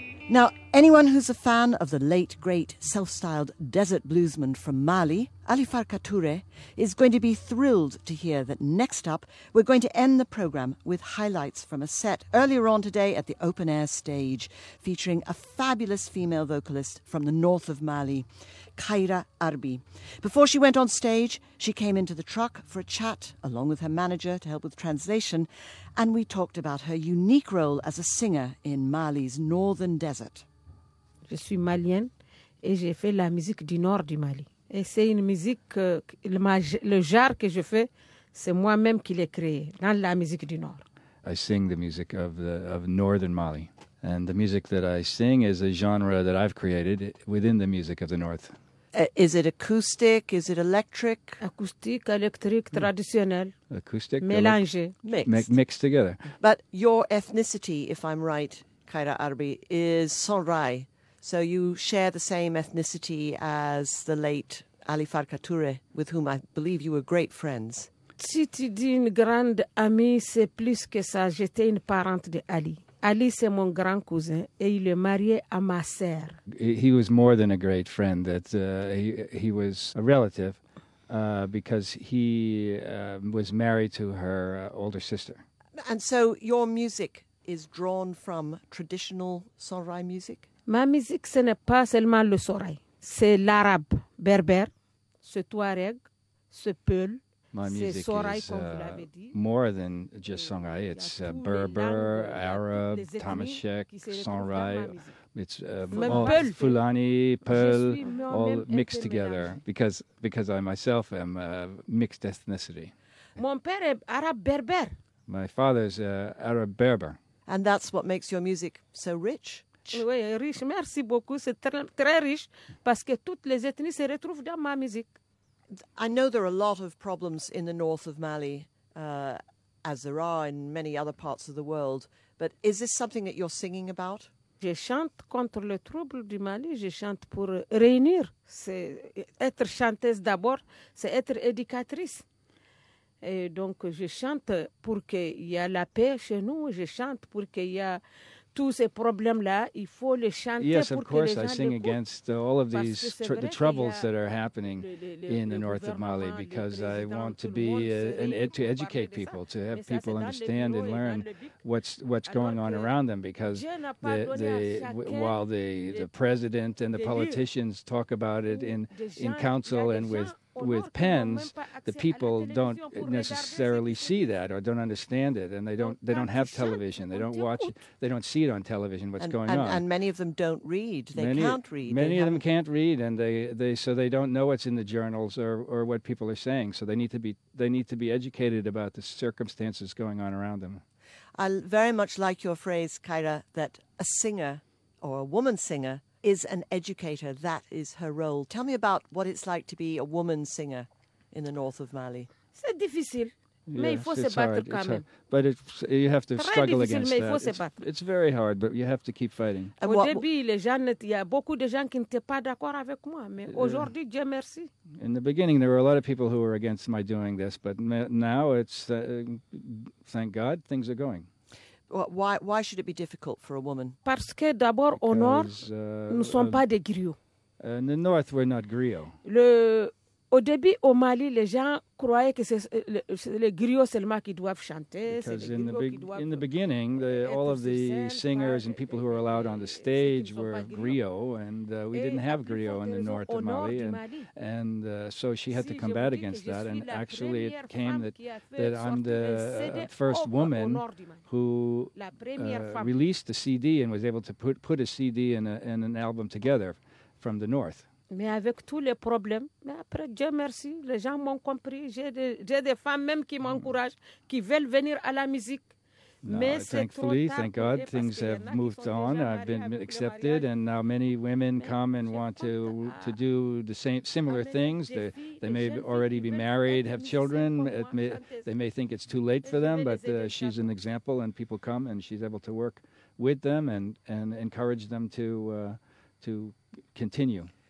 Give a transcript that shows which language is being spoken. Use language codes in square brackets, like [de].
[en] Now, anyone who's a fan of the late, great, self-styled desert bluesman from Mali, Ali Farka Touré, is going to be thrilled to hear that next up, we're going to end the programme with highlights from a set earlier on today at the Open Air stage, featuring a fabulous female vocalist from the north of Mali, Kaira Arbi. Before she went on stage, she came into the truck for a chat, along with her manager to help with translation, and we talked about her unique role as a singer in Mali's northern desert. [fr] Je suis malienne, et j'ai fait la musique du nord du Mali. Et c'est une musique, le genre que je fais, c'est moi-même qui l'ai créé dans la musique du nord. [en] I sing the music of northern Mali. And the music that I sing is a genre that I've created within the music of the north. Is it acoustic? Is it electric? [fr] Acoustique, électrique, traditionnel. [en] Acoustic, [fr] mélangé, [en] mixed together. But your ethnicity, if I'm right, Kaira Arbi, is Sonrai. So you share the same ethnicity as the late Ali Farka Touré, with whom I believe you were great friends. [fr] Si tu dis une grande amie, c'est plus que ça. J'étais une parente de Ali. Ali, c'est mon grand cousin, et il est marié à ma sœur. [en] He was more than a great friend. That he was a relative, because he was married to her older sister. And so your music is drawn from traditional Sonrai music? [fr] Ma musique, ce n'est pas seulement le Sonrai. C'est l'arabe berbère, ce Touareg, ce Peul. [en] My music is more than just Songhai. It's Berber, Arab, Tamashek, Songhai. It's Fulani, Peul, all mixed together because I myself am mixed ethnicity. [fr] Mon père est Arab Berber. [en] My father's Arab Berber. And that's what makes your music so rich? [fr] Oui, riche. Merci beaucoup. C'est très, très riche parce que toutes les ethnies se retrouvent dans ma musique. [en] I know there are a lot of problems in the north of Mali, as there are in many other parts of the world. But is this something that you're singing about? [fr] Je chante contre le trouble du Mali. Je chante pour réunir. C'est être chanteuse d'abord, c'est être éducatrice. Et donc je chante pour qu'il y ait la paix chez nous. Je chante pour qu'il y ait tous ces problèmes-là, il faut les chanter. [en] Yes, of [fr] pour [en] course, [fr] que [en] I sing against all of these the troubles that are happening in the north of Mali because I want to be to educate people, to have people understand and learn what's going on around them. Because while the president and the politicians talk about it in council and with pens, the people don't necessarily see that or don't understand it, and they don't have television, they don't watch, they don't see it on television what's going on. And many of them don't read, they can't read. Many of them can't read, and so they don't know what's in the journals or what people are saying, so they need to be educated about the circumstances going on around them. I very much like your phrase, Kaira, that a singer or a woman singer is an educator. That is her role. Tell me about what it's like to be a woman singer in the north of Mali. [fr] C'est difficile, mais il faut se battre quand même. [en] But you have to struggle against that. [fr] Très difficile, mais il faut se battre. [en] It's very hard, but you have to keep fighting. [fr] Au début, il y a beaucoup de gens qui n'étaient pas d'accord avec moi, mais aujourd'hui, Dieu merci. [en] In the beginning, there were a lot of people who were against my doing this, but now it's, thank God, things are going. Why should it be difficult for a woman? [fr] Parce que d'abord au nord, nous sommes pas des griots. [en] In the north, we're not griots. [fr] Au début au Mali, les gens croyaient que c'est les griots seulement qui doivent chanter. [en] Because in the beginning, all of the singers and people who were allowed on the stage were griots, and we didn't have griots in the north of Mali, and so she had to combat against that. And actually, it came that I'm the first woman who released a CD and was able to put a CD and an album together from the north. [fr] Mais avec tous les problèmes, mais après, Dieu merci, les gens m'ont compris. J'ai des femmes même qui m'encouragent, qui veulent venir à la musique. [en] No, mais thankfully, [fr] c'est trop tard, [en] thank God, things have moved on. I've been accepted, and now many women come and want to do the same similar things. They may already be married, have children. They may think it's too late for them, but she's an example, and people come, and she's able to work with them and encourage them to continue.